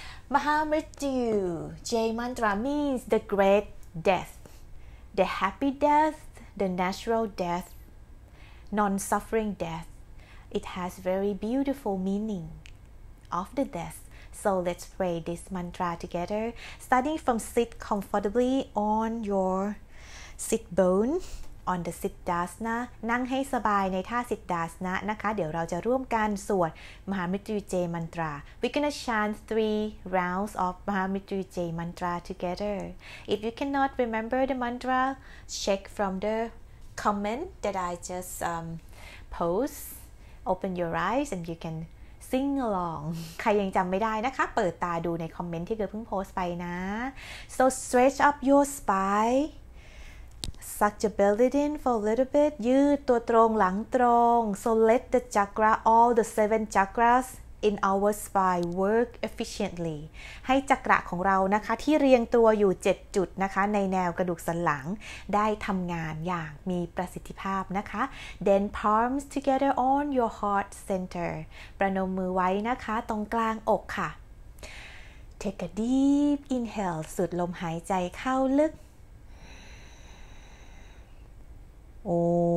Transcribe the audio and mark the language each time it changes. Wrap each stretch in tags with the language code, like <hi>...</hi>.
<en>Mahamrityu J Mantra means the great death, the happy death, the natural death, non-suffering death. It has very beautiful meaning of the death. So let's pray this mantra together. Starting from sit comfortably on your sit bone, on the siddhasana.</en> <th>นั่งให้สบายในท่า siddhasana นะคะเดี๋ยวเราจะร่วมกันสวด Mahamrityu J Mantra.</th> <en>We're gonna chant 3 rounds of Mahamrityu J Mantra together. If you cannot remember the mantra, check from the comment that I just post. Open your eyes and you can sing along.</en> <th>ใครยังจำไม่ได้นะคะเปิดตาดูในคอมเมนต์ที่เกิดเพิ่งโพสต์ไปนะ</th> <en>So stretch up your spine. Suck your belly in for a little bit.</en> <th>ยืดตัวตรงหลังตรง.</th> <en>So let the chakra, all the 7 chakras in our spine work efficiently</en> <th>ให้จักระของเรานะคะที่เรียงตัวอยู่7จุดนะคะในแนวกระดูกสันหลังได้ทำงานอย่างมีประสิทธิภาพนะคะ</th> <en>Then palms together on your heart center</en> <th>ประนมมือไว้นะคะตรงกลางอกค่ะ</th> <en>Take a deep inhale</en> <th>สูดลมหายใจเข้าลึกโอ้โอมเ</th>